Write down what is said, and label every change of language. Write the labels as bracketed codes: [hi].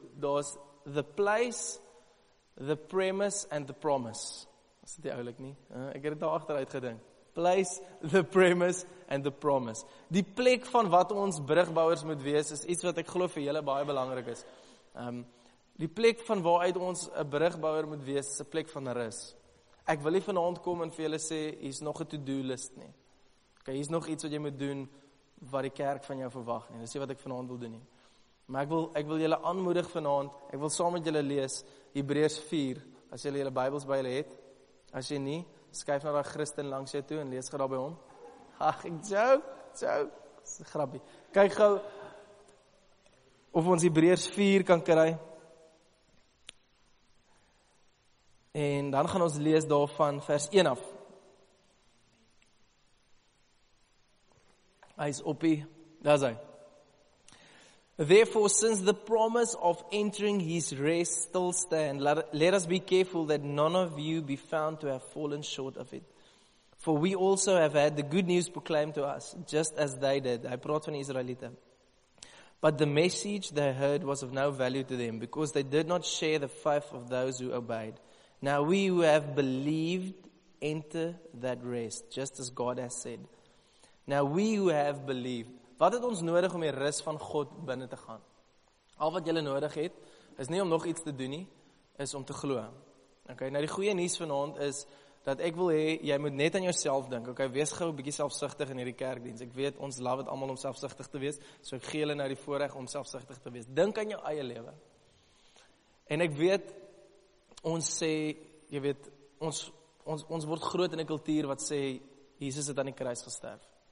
[en] Daar's the place, the premise and the promise. [af] Was dit eerlik nie? Ek het dit daar agteruit gedink. [en] Place, the premise and the promise. [af] Die plek van wat ons brugbouers moet wees is iets wat ek glo vir julle baie belangrik is. Die plek van waaruit ons 'n brugbouer moet wees is 'n plek van rus. Ek wil nie vanaand kom en vir julle sê hier's nog 'n to-do list nie. Okay, hier's nog iets wat jy moet doen wat die kerk van jou verwag nie. Dis nie wat ek vanaand wil doen nie. Maar ek wil julle aanmoedig vanaand. Ek wil saam met julle lees Hebreërs 4. As julle julle Bybels by julle het, as jy nie, skuif na daai Christen langs jou toe en lees gerad by hom. Ag, ek joke. Dis 'n grappie. Kyk gou of ons Hebreërs 4 kan kry. En dan gaan ons lees daarvan vers 1 af. Hy is oppie, daar is hy. [en] Therefore, since the promise of entering his rest still stands, let us be careful that none of you be found to have fallen short of it. For we also have had the good news proclaimed to us, just as they did. [af] Hy praat van die Israelite. [en] But the message they heard was of no value to them, because they did not share the faith of those who obeyed. Now we who have believed enter that rest, just as God has said. Now we who have believed. [af] Wat het ons nodig om die rus van God binne te gaan? Al wat jy nodig het, is nie om nog iets te doen nie, is om te glo. Okay, nou die goeie nuus vanaand is, dat ek wil hê, jy moet net aan jouself dink. Okay, wees gou 'n bietjie selfsugtig in hierdie kerkdiens. Ek weet, ons love het allemaal om selfsugtig te wees, so ek gee julle nou die voorreg om selfsugtig te wees. Dink aan jou eie lewe. En ek weet, ons sê, jy weet, ons word groot in 'n kultuur wat sê, Jesus het aan die kruis gesterf.